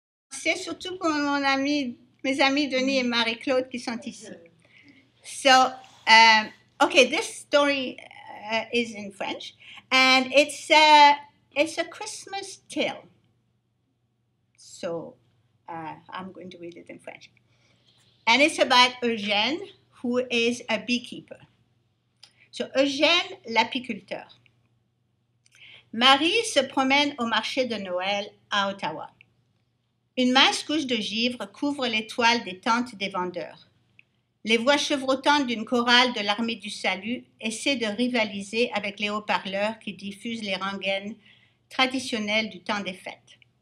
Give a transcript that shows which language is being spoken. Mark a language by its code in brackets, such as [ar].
[fr] C'est surtout pour mon ami, mes amis Denis et Marie-Claude qui sont ici. [en] So, okay, this story is in French, and it's a Christmas tale. So I'm going to read it in French. And it's about Eugène, who is a beekeeper. [fr] So Eugène, l'apiculteur. Marie se promène au marché de Noël à Ottawa. Une mince couche de givre couvre les toiles des tentes des vendeurs. Les voix chevrotantes d'une chorale de l'armée du salut essaient de rivaliser avec les haut-parleurs qui diffusent les rengaines traditionnelles du temps des fêtes.